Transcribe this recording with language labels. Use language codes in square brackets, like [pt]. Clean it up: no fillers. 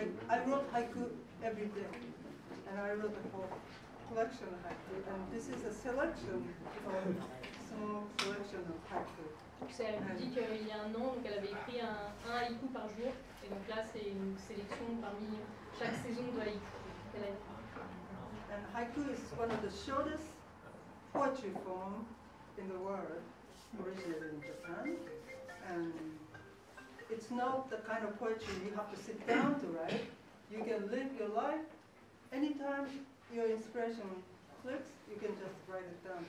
[en] I wrote haiku every day, and I wrote a whole collection of haiku, and this is a selection of small collection of haiku. [fr] Donc ça lui dit qu'il y a un nom, donc elle avait écrit un haiku par jour, et donc là c'est une sélection parmi chaque saison de haiku. [en] And haiku is one of the shortest poetry form in the world, originated in Japan, and it's not the kind of poetry you have to sit down to write. You can live your life anytime your inspiration clicks, you can just write it down.